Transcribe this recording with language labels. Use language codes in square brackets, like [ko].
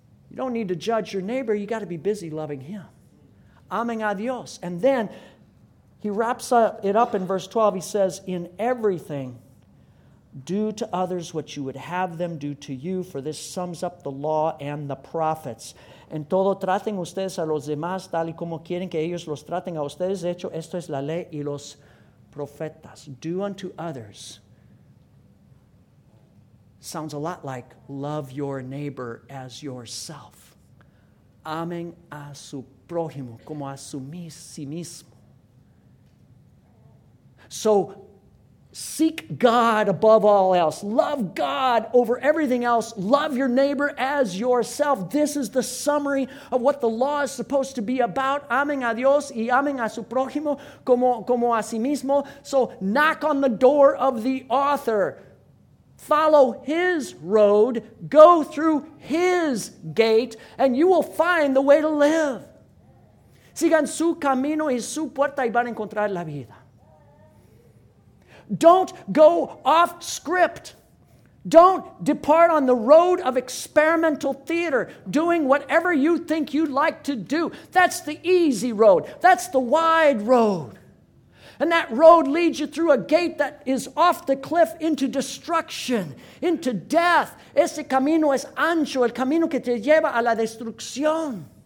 [en] You don't need to judge your neighbor. You got to be busy loving him. [es] Amen a Dios. [en] And then he wraps it up in verse 12. He says, in everything, do to others what you would have them do to you, for this sums up the law and the prophets. [es] En todo traten ustedes a los demás tal y como quieren que ellos los traten a ustedes. De hecho, esto es la ley y los profetas. [en] Do unto others. Sounds a lot like love your neighbor as yourself. [es] Amen a su prójimo como a su mismo. [en] So, seek God above all else. Love God over everything else. Love your neighbor as yourself. This is the summary of what the law is supposed to be about. [es] Amen a Dios y amen a su prójimo como a sí mismo. [en] So knock on the door of the author. Follow his road. Go through his gate and you will find the way to live. [es] Sigan su camino y su puerta y van a encontrar la vida. [en] Don't go off script. Don't depart on the road of experimental theater, doing whatever you think you'd like to do. That's the easy road. That's the wide road. And that road leads you through a gate that is off the cliff into destruction, into death. [es] Ese camino es ancho, el camino que te lleva a la destrucción.